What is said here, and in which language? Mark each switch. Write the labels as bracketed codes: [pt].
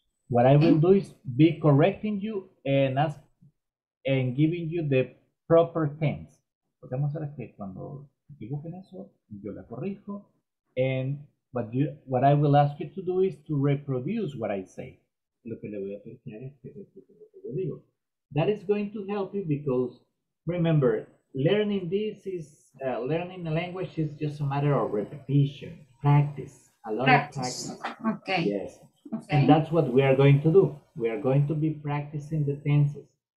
[en] What I will do is be correcting you and ask and giving you the proper tense. What I'm gonna say is that [es] cuando equivoquen eso, yo la corrijo, [en] and but what I will ask you to do is to reproduce what I say. [es] Lo que le voy a pedir es que reproduzca lo que yo digo. [en] That is going to help you because, remember, learning this is, learning a language is just a matter of repetition, practice, a lot of practice. Okay. Yes. Okay. And that's what we are going to do. We are going to be practicing the tenses.